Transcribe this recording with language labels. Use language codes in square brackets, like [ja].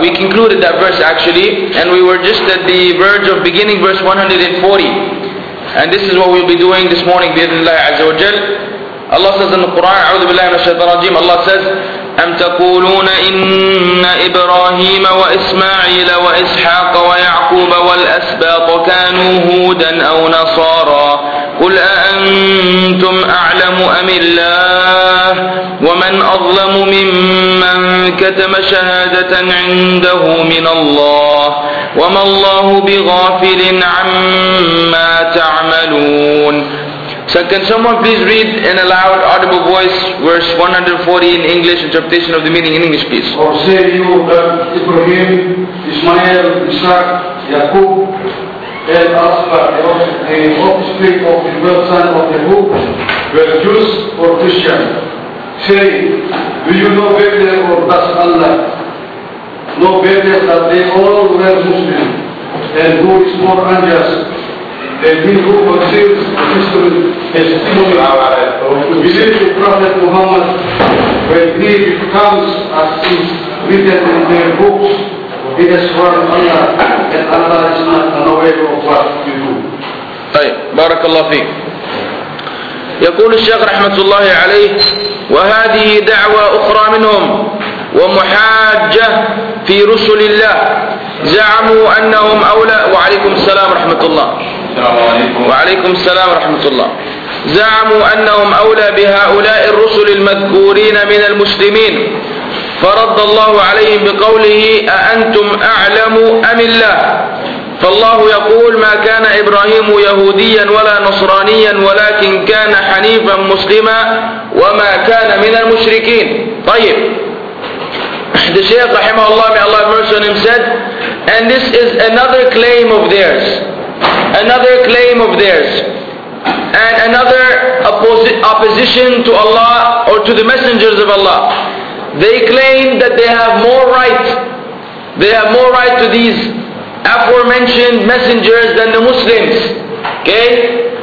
[en] We concluded that verse actually, and we were just at the verge of beginning verse 140. And this is what we'll be doing this morning, bi-idhnillahi azza wa jal. Allah says in the Quran, [ar] A'udhu billahi minash shaitan rajim, [en] Allah says, [ar] أم تقولون إن إبراهيم وإسماعيل وإسحاق ويعقوب والأسباط كانوا هودا أو نصارى قل أأنتم أعلم أم الله ومن أظلم ممن كتم شهادة عنده من الله وما الله بغافل عما تعملون. [en] So can someone please read in a loud, audible voice, verse 140 in English, interpretation of the meaning in English, please. Or say you that Ibrahim, Ismail, Ishaq, Yaqub, and Asbah, and the offspring of the real son of Yaqub, were Jews or Christians. Say, do you know better or does Allah know better that they all were Muslims, and who is more unjust? And he who conceals the history has come to believe the Prophet Muhammad when he becomes as is written in their books, he has sworn Allah, and Allah is not unaware of what you do. Hey, Barakallah fi. [ar] يقول الشيخ رحمة الله عليه وهذه دعوة أخرى منهم ومحاجة في رسل الله زعموا أنهم أولى وعليكم السلام ورحمة الله وعليكم السلام ورحمة الله زعموا أنهم أولى بهؤلاء الرسل المذكورين من المسلمين فرد الله عليهم بقوله أأنتم أعلم أم الله فالله يقول ما كان إبراهيم يهوديا ولا نصرانيا ولكن كان حنيفا مسلما وما كان من المشركين. طيب. [en] The Shaykh rahimahullah, may Allah have mercy on him, said, and this is another claim of theirs, another claim of theirs, and another opposition to Allah or to the messengers of Allah. They claim that they have more right, they have more right to these aforementioned messengers than the Muslims. Okay?